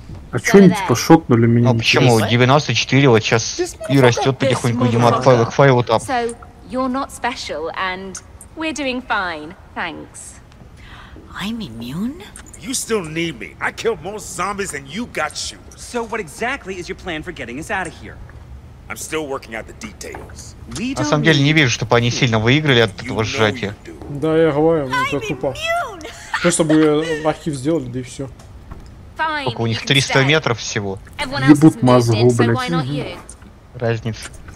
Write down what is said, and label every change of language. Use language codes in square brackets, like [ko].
[ru] А чё они типа шокнули меня? А почему 94, вот сейчас и растет потихоньку Дима от файла к файлу там. [en] So, you're not special, and we're doing fine, thanks. I'm immune? You still need me. I killed more zombies than you got you. So what exactly is your plan for getting us out of here? I'm still working out the details. [ru] На самом деле не вижу, чтобы они сильно выиграли от этого сжатия. Да, я говорю, ну это тупо. Просто чтобы архив сделали, да и все. Только у них 300 метров всего. Ебут мозгу, блядь. Разница.